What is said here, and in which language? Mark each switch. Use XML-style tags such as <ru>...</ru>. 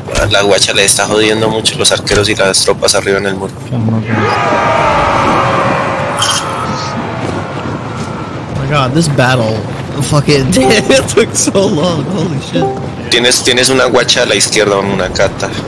<es>La guacha le está jodiendo mucho los arqueros y las tropas arriba en el muro.</es> <en>Oh my god, this battle fucking took so long. Holy shit.</en> <es>Tienes una guacha a la izquierda, una cata.</es>